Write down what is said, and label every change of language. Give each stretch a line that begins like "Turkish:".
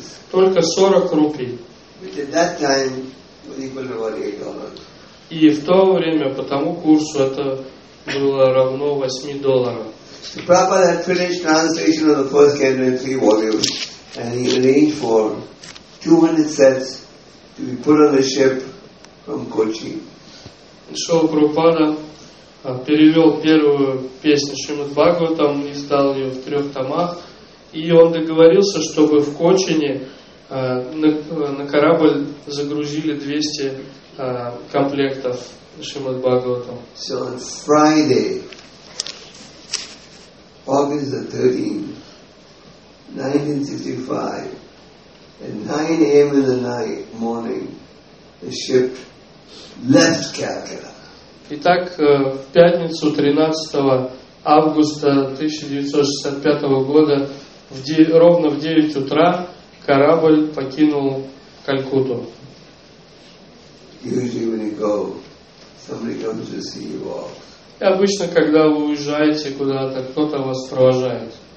Russian: Только 40 рупий. И в то время, по тому курсу, это было равно 8 долларов.
English: Prabhupada had finished translation of the first canto in 3 volumes. And he arranged for 200 sets to be put on the ship from Kochi.
Russian: Шрила Прабхупада перевел первую песню Шримад Бхагаватам, издал ее в трех томах, и он договорился, чтобы в Кочине на корабль загрузили 200 комплектов Шримад Бхагаватам.
English: So on Friday, August the 13th, 1965, at 9 a.m. in the night, morning, the ship left Calcutta.
Russian: Итак, в пятницу 13 августа 1965 года, ровно в 9 утра, корабль покинул Калькутту.
English: Usually when you go, somebody comes to see you off.
Russian: И обычно, когда вы уезжаете куда-то, кто-то вас провожает.